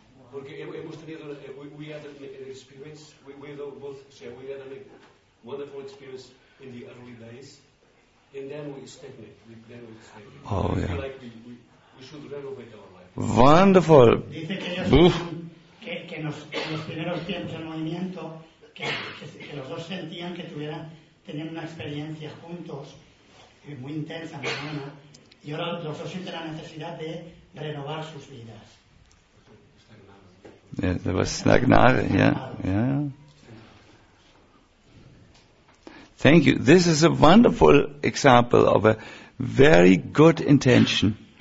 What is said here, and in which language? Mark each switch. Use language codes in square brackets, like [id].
[es] Porque hemos tenido, [en] we had an experience, we both share, we had a wonderful experience in the early days, and then we stagnate. Oh, yeah. We should renovate our life. Wonderful. [es] Dice que ellos que los primeros tiempos del movimiento que los dos sentían que tuvieran tener una experiencia juntos muy intensa, muy buena, y ahora los dos sienten la necesidad de renovar sus vidas. [en] Yeah, there was stagnare, yeah. Thank you. This is a wonderful example of a very good intention.